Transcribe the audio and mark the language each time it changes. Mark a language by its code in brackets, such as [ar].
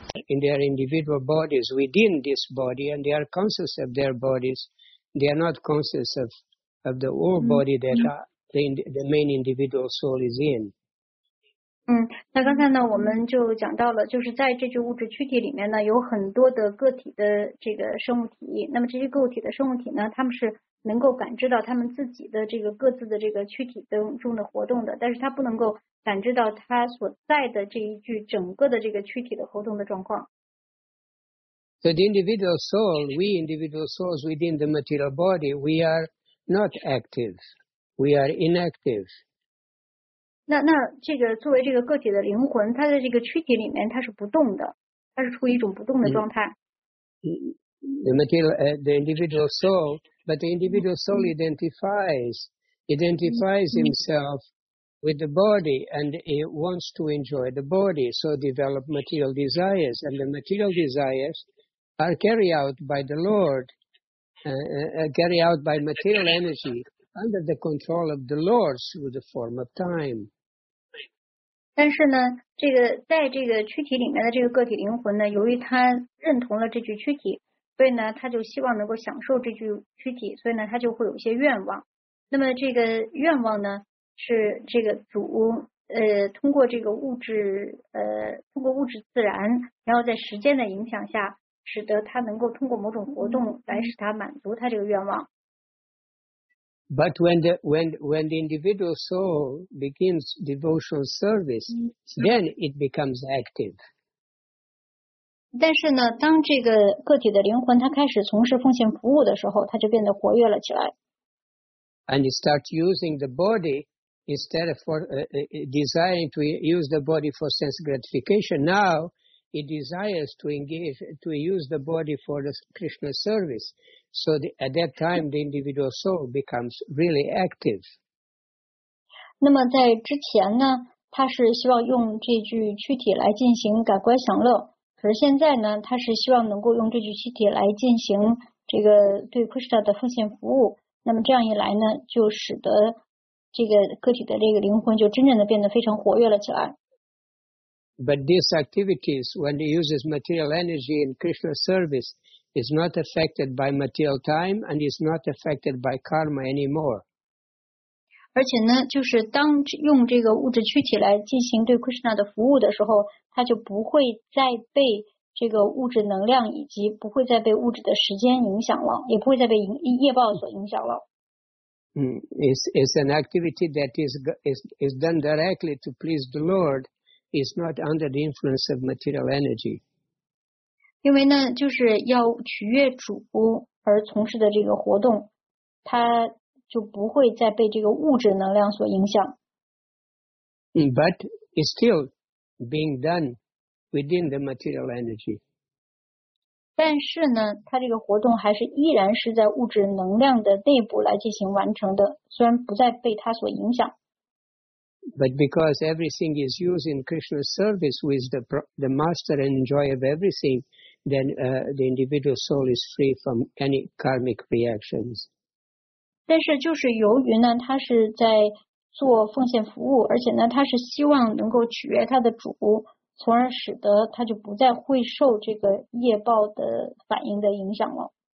[en] In their individual bodies, within this body, and they are conscious of their bodies. They are not conscious of the whole body that the main individual soul is in. [zh] 那刚才呢我们就讲到了，就是在这具物质躯体里面呢，有很多的个体的这个生物体，那么这些个体的生物体呢，他们是能够感知到他们自己的这个各自的这个躯体当中的活动的，但是他不能够感知到他所在的这一具整个的这个躯体的活动的状况。 [en] So the individual soul, we individual souls within the material body, we are not active, we are inactive. [zh] 那这个作为这个个体的灵魂，它在这个躯体里面它是不动的，它是处于一种不动的状态。 [en] The material, the individual soul, but the individual soul identifies himself with the body and he wants to enjoy the body, so develop material desires and the material desires are carried out by the Lord, carried out by material energy under the control of the Lord through the form of time. [zh] 但是呢，这个在这个躯体里面的这个个体灵魂呢，由于他认同了这具躯体，所以呢，他就希望能够享受这具躯体，所以呢，他就会有一些愿望。那么这个愿望呢，是这个主通过这个物质通过物质自然，然后在时间的影响下，使得他能够通过某种活动来使他满足他这个愿望。 [en] But when the individual soul begins devotional service, then it becomes active. [zh] 但是呢，当这个个体的灵魂它开始从事奉献服务的时候，它就变得活跃了起来。 [en] And it starts using the body instead of for, desiring to use the body for sense gratification, now he desires to engage, to use the body for the Krishna service. So the, at that time, the individual soul becomes really active. [zh] 那么在之前呢，他是希望用这具躯体来进行感官享乐。可是现在呢，他是希望能够用这具躯体来进行这个对 Krishna 的奉献服务。那么这样一来呢，就使得这个个体的这个灵魂就真正的变得非常活跃了起来。 [en] But these activities, when he uses material energy in Krishna's service, is not affected by material time and is not affected by karma anymore. [zh] 而且呢，就是当用这个物质躯体来进行对 Krishna 的服务的时候，他就不会再被这个物质能量以及不会再被物质的时间影响了，也不会再被业报所影响了。 [en] It's an activity that is done directly to please the Lord. Is not under the influence of material energy. [zh] 因为呢，就是要取悦主而从事的这个活动，它就不会再被这个物质能量所影响。 [en] But it's still being done within the material energy. [zh] 但是呢，它这个活动还是依然是在物质能量的内部来进行完成的，虽然不再被它所影响。 [en] But because everything is used in Krishna's service, who is the master and enjoyer of everything, then the individual soul is free from any karmic reactions. [zh] 但是就是由于呢，他是在做奉献服务，而且呢，他是希望能够取悦他的主，从而使得他就不再会受这个业报的反应的影响了。